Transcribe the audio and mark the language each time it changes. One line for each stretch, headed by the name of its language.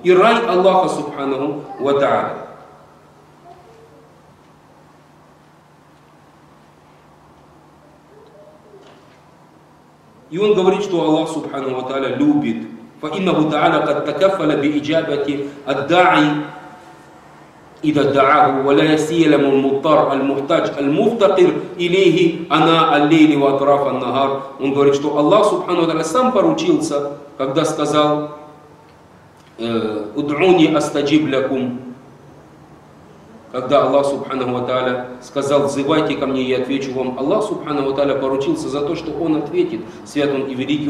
Russian: И рай Аллаха субхану ва тааля. И он говорит, что Аллах субхану ва тааля любит.
Arabic: «Фа иннаху тааля кад такаффала би иджабати ад-даи إذا دعاه ولا سيما المضطر المحتاج المفتقر إليه أنا الليل وأطراف النهار.
Russian: Он говорит, что Аллах Субхану ва Тааля сам поручился, когда сказал:
Arabic: «Удъуни астаджиб лякум».
Russian: Когда Аллах Субхану ва Тааля сказал: «Взывайте ко мне, я отвечу вам». Аллах Субхану ва Тааля поручился за то, что он ответит. Свят он и великий.